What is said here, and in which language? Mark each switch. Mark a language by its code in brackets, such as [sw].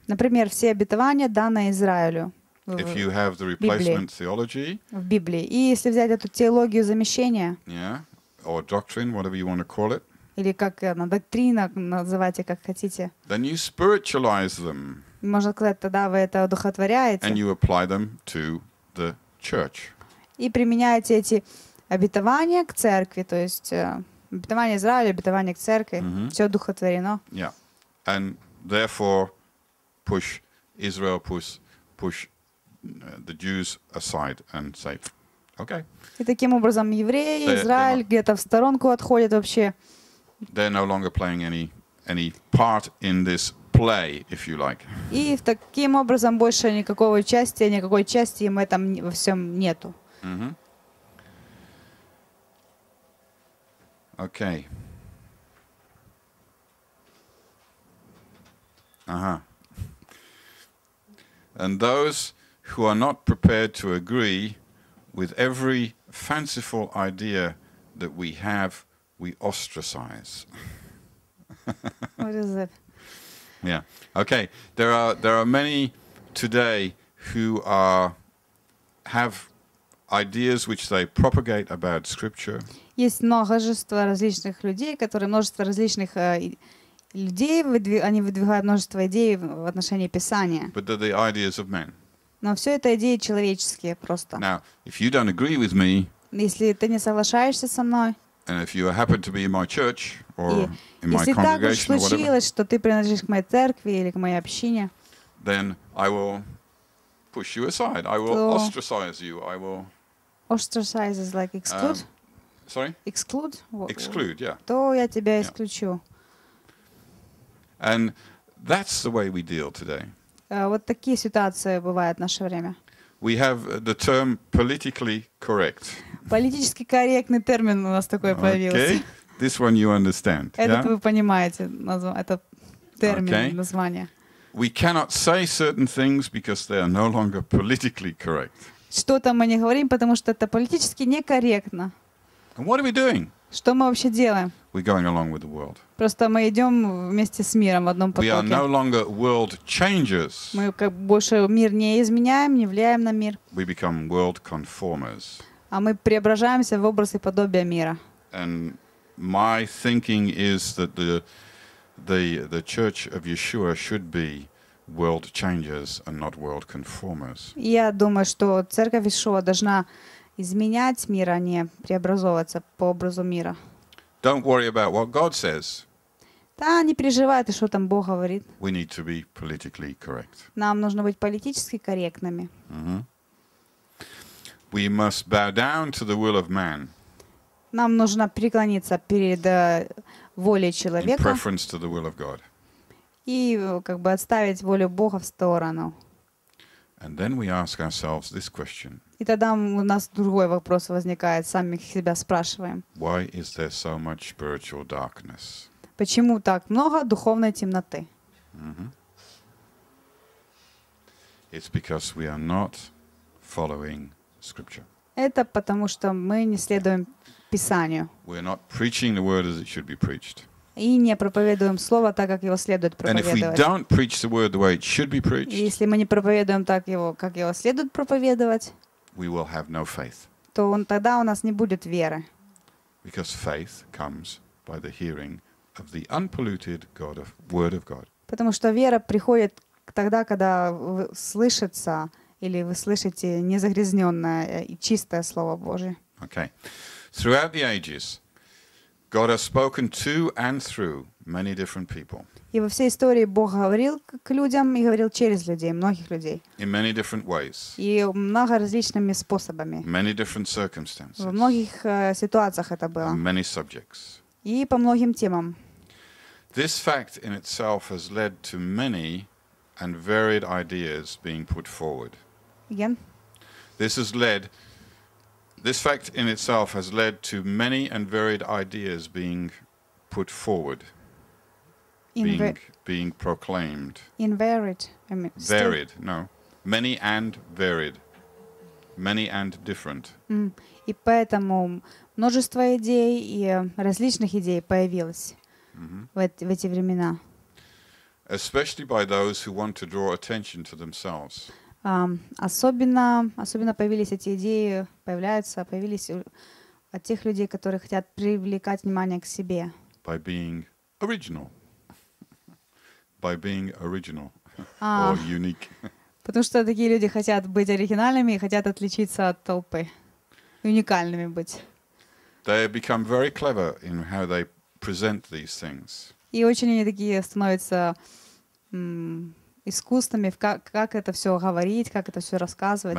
[ru] Например, все обетования, данные Израилю. [en] If you have the replacement theology, [ru] в Библии. И если взять эту теологию замещения, [en] or doctrine, whatever you want to call it, [ru] или как она, доктрина, называйте как хотите, [en] then you spiritualize them. [ru] Можно сказать, тогда вы это одухотворяете. [en] And you apply them to the church. [ru] И применяете эти обетования к церкви, то есть обетование Израиля, обетование к церкви, все одухотворено. [en] Yeah. And therefore push Israel, push the Jews aside and say, okay. [ru] И таким образом евреи, Израиль где-то в сторонку отходят вообще. [en] They're no longer playing any part in this play, if you like. [ru] И таким образом больше никакой части им в этом во всем нету. [en] Okay. And those who are not prepared to agree with every fanciful idea that we have, we ostracize. What is it? Yeah. Okay. There are many today who have ideas which they propagate about Scripture. [ru] Есть множество различных людей, которые множество различных людей они выдвигают множество идей в отношении Писания. [en] But they're the ideas of men. [ru] Но все это идеи человеческие просто. [en] Now, if you don't agree with me, [ru] если ты не соглашаешься со мной, [en] and if you happen to be in my church or in my congregation, [ru] если так уж случилось, [en] whatever, [ru] что ты принадлежишь к моей церкви или к моей общине, [en] then I will push you aside. I will ostracize you. I will ostracize is like exclude. Exclude. Exclude. Yeah. [ru] То я тебя исключу. [en] And that's the way we deal today. [ru] Вот такие ситуации бывают в наше время. [en] We have the term politically correct. [ru] Политически корректный термин у нас такой появился. [en] Okay. This one you understand. [ru] Этот вы понимаете, это термин, название. [en] We cannot say certain things because they are no longer politically correct. [ru] Что-то мы не говорим, потому что это политически некорректно. [en] And what are we doing? [ru] Что мы вообще делаем? [en] We're going along with the world. [ru] Просто мы идем вместе с миром в одном потоке. [en] We are no longer world changers. [ru] Мы как больше мир не изменяем, не влияем на мир. [en] We become world conformers. [ru] А мы преображаемся в образ и подобие мира. [en] And my thinking is that the church of Yeshua should be world changers and not world conformers. [ru] Я думаю, что церковь Иешуа должна изменять мир, а не преобразовываться по образу мира. [en] Don't worry about what God says. [ru] Да, не переживай, ты что там Бог говорит. [en] We need to be politically correct. [ru] Нам нужно быть политически корректными. [en] We must bow down to the will of man. [ru] Нам нужно преклониться перед волей человека. [en] In preference to the will of God. [ru] И как бы отставить волю Бога в сторону. [en] And then we ask ourselves this question. [ru] И тогда у нас другой вопрос возникает, сами себя спрашиваем. [en] Why is there so much spiritual darkness? [ru] Почему так много духовной темноты? [en] It's because we are not following scripture. [ru] Это потому, что мы не следуем Писанию. [en] We're not preaching the word as it should be preached. [ru] И не проповедуем слово так, как его следует проповедовать. [en] And if we don't preach the word the way it should be preached, [ru] если мы не проповедуем так его, как его следует проповедовать, [en] we will have no faith. [ru] То он, тогда у нас не будет веры. [en] Because faith comes by the hearing of the unpolluted God of word of God. [ru] Потому что вера приходит тогда, когда слышится или вы слышите незагрязненное и чистое слово Божие. [en] Okay. Throughout the ages, God has spoken to and through many different people. И во всей истории Бог говорил к людям и говорил через людей, многих людей. In many different ways. И много различными способами. Many different circumstances. Во многих ситуациях это было. And many subjects. И по многим темам. This fact in itself has led to many and varied ideas being put forward. Again. This fact in itself has led to many and varied ideas being put forward, being proclaimed. In varied, I mean. Varied, no. Many and varied. Many and different. [ru] И поэтому множество идей и различных идей появилось в эти времена. [en] Especially by those who want to draw attention to themselves. [ru] Особенно появились эти идеи, появились от тех людей, которые хотят привлекать внимание к себе. [en] By being original. By being original. Or unique. [ru] Потому что такие люди хотят быть оригинальными и хотят отличиться от толпы. Уникальными быть. [en] They become very clever in how they present these things. [ru] И очень они такие становятся искусствами, как это все говорить, как это все рассказывать,